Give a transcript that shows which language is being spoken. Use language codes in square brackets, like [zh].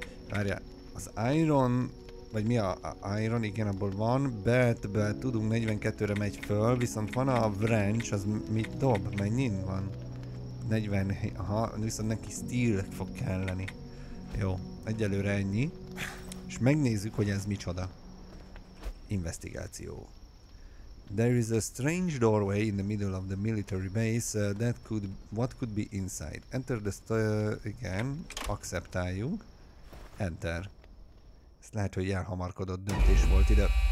[hu] Várjál, az iron, vagy mi a iron, igen, abból van, beltbe tudunk, 42-re megy föl, viszont van a wrench, az mit dob, mennyin van? 40, aha, viszont neki steel fog kelleni. Jó, egyelőre ennyi, és megnézzük, hogy ez micsoda. Investigáció. [en] There is a strange doorway in the middle of the military base, that could, what could be inside? Enter the [hu] igen, akceptáljuk, [en] enter. [hu] Ezt lehet, hogy elhamarkodott döntés volt ide.